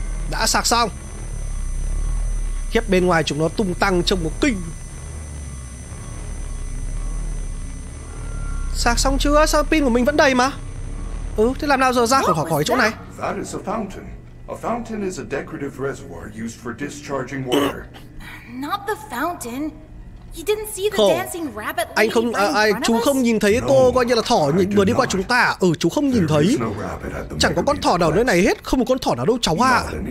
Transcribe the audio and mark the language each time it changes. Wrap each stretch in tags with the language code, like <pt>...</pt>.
<vi>Đã sạc xong. Khiếp, bên ngoài chúng nó tung tăng trông có kinh. Sạc xong chưa? Sao pin của mình vẫn đầy mà? Ừ, thế làm nào giờ ra khỏi chỗ này?</vi> <en>That is a fountain. A fountain is a decorative reservoir used for discharging water. Not the fountain. You didn't see the dancing rabbit.</en> <vi>Anh không chú không nhìn thấy cô coi như là thỏ nhìn vừa đi qua chúng ta. Ừ, chú không nhìn thấy. Chẳng có con thỏ nào nơi này hết, không có con thỏ nào đâu cháu ạ.</vi>